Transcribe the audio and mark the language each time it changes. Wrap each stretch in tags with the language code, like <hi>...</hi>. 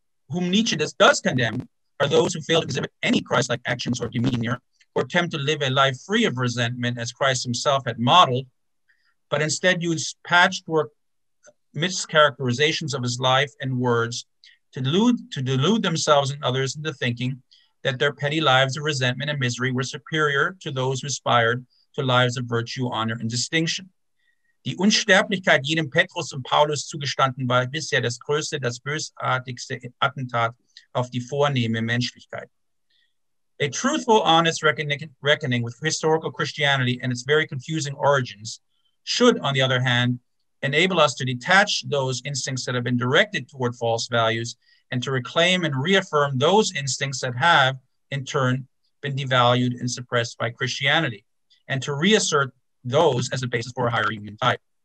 <en>Whom Nietzsche does condemn are those who fail to exhibit any Christ-like actions or demeanor, or attempt to live a life free of resentment as Christ himself had modeled, but instead use patchwork mischaracterizations of his life and words to delude themselves and others into thinking that their petty lives of resentment and misery were superior to those who aspired to lives of virtue, honor, and distinction.</en> <de>Die Unsterblichkeit jedem Petrus und Paulus zugestanden war bisher das größte, das bösartigste Attentat auf die vornehme Menschlichkeit.</de> <en>A truthful, honest reckoning with historical Christianity and its very confusing origins should, on the other hand, enable us to detach those instincts that have been directed toward false values and to reclaim and reaffirm those instincts that have, in turn, been devalued and suppressed by Christianity, and to reassert those as a basis for a higher human type.</en>